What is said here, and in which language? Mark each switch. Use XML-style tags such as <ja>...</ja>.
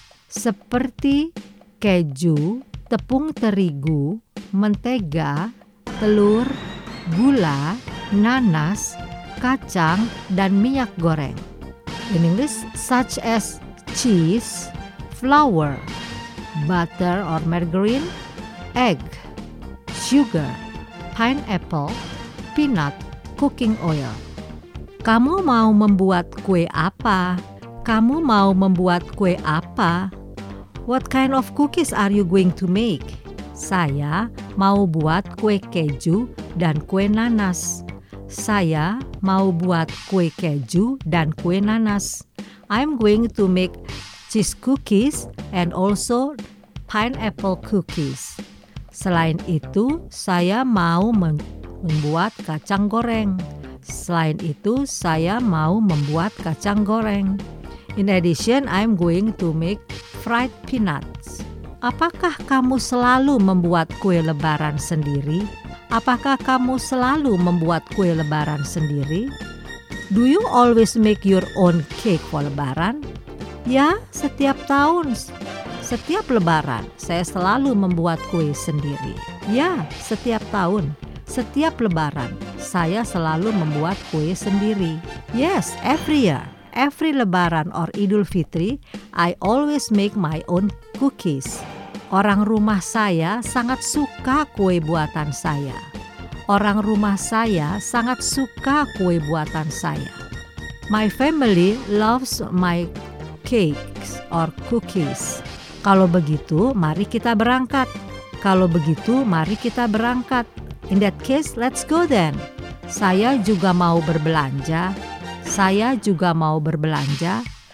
<id>Seperti keju, tepung terigu, mentega, telur, gula, nanas, kacang, dan minyak goreng.</id> <en>In English, such as cheese, flour, butter or margarine, egg, sugar, pineapple, peanut, cooking oil.</en> <id>Kamu mau membuat kue apa? Kamu mau membuat kue apa?</id> <en>What kind of cookies are you going to make?</en> <id>Saya mau buat kue keju dan kue nanas. Saya mau buat kue keju dan kue nanas.</id> <en>I'm going to make cheese cookies and also pineapple cookies.</en> <id>Selain itu, saya mau membuat kacang goreng. Selain itu, saya mau membuat kacang goreng.</id> <en>In addition, I'm going to make fried peanuts.</en> <id>Apakah kamu selalu membuat kue lebaran sendiri? Apakah kamu selalu membuat kue lebaran sendiri?</id> <en>Do you always make your own cake for lebaran?</en> <id>Ya, setiap tahun. Setiap lebaran, saya selalu membuat kue sendiri. Ya, setiap tahun. Setiap lebaran, saya selalu membuat kue sendiri.</id> <en>Yes, every year. Every lebaran or Idul Fitri, I always make my own cookies.</en> <id>Orang rumah saya sangat suka kue buatan saya. Orang rumah saya sangat suka kue buatan saya.</id> <en>My family loves my cakes or cookies.</en> <id>Kalau begitu, mari kita berangkat. Kalau begitu, mari kita berangkat.</id> <en>In that case, let's go then.</en> <id>Saya juga mau berbelanja. Saya juga mau berbelanja.</id>